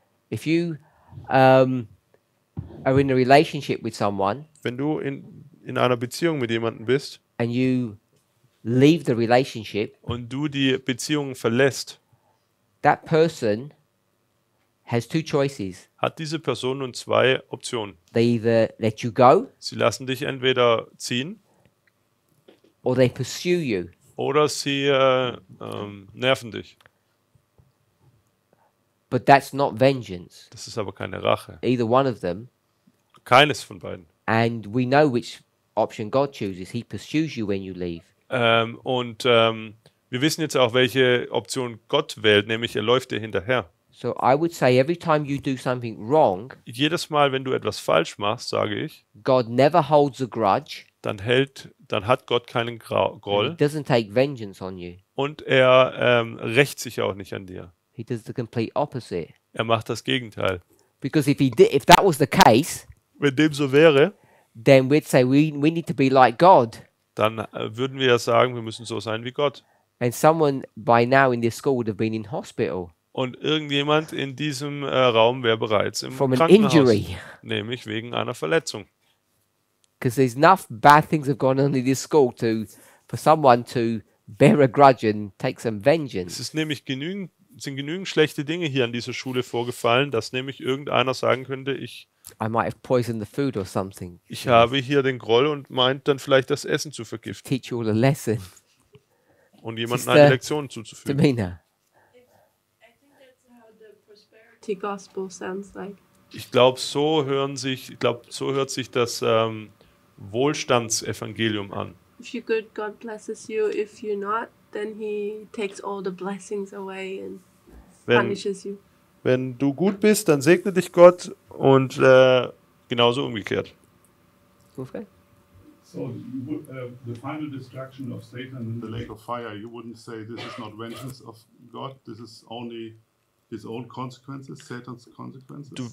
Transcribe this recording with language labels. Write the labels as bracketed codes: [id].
[en] If you are in a relationship with someone, [de] wenn du in einer Beziehung mit jemandem bist, [en] and you leave the relationship, [de] und du die Beziehung verlässt, [en] that person has two choices. [de] Hat diese Person nun zwei Optionen. [en] They either let you go, [de] sie lassen dich entweder ziehen, [en] or they pursue you. [de] Oder sie nerven dich. [en] But that's not vengeance. [de] Das ist aber keine Rache. [en] Either one of them. [de] Keines von beiden. [en] And we know which option God chooses. He pursues you when you leave. [de] Wir wissen jetzt auch, welche Option Gott wählt, nämlich er läuft dir hinterher. [en] So I would say every time you do something wrong, [de] jedes Mal, wenn du etwas falsch machst, sage ich, [en] God never holds a grudge. [de] Dann hat Gott keinen Groll. [en] He doesn't take vengeance on you. [de] Und er rächt sich auch nicht an dir. [en] He does the complete opposite. [de] Er macht das Gegenteil. [en] Because if that was the case, [de] wenn dem so wäre, [en] then we'd say we need to be like God. [de] Dann würden wir ja sagen, wir müssen so sein wie Gott. [en] And someone by now in this school would have been in hospital. [de] Und irgendjemand in diesem Raum wäre bereits im from Krankenhaus, [en] an injury. [de] Nämlich wegen einer Verletzung. [en] Because there's enough bad things have gone on in this school to for someone to bear a grudge and take some vengeance. [de] Es ist nämlich sind genügend schlechte Dinge hier an dieser Schule vorgefallen, dass nämlich irgendeiner sagen könnte, [en] I might have poisoned the food or something. [de] Ich habe hier den Groll und meint dann vielleicht das Essen zu vergiften. [en] Teach you all a lesson. [de] Und jemandem eine Lektion zuzufügen. [en] Domina. I think that's how the prosperity gospel sounds like. [de] Ich glaube, so hört sich das Wohlstandsevangelium an. [en] If you're good, God blesses you. If you're not, then he takes all the blessings away and punishes you. [de] Wenn du gut bist, dann segne dich Gott und genauso umgekehrt. [en] Okay. So, the final destruction of Satan in the lake of fire, you wouldn't say this is not vengeance of God, this is only his own consequences, Satan's consequences?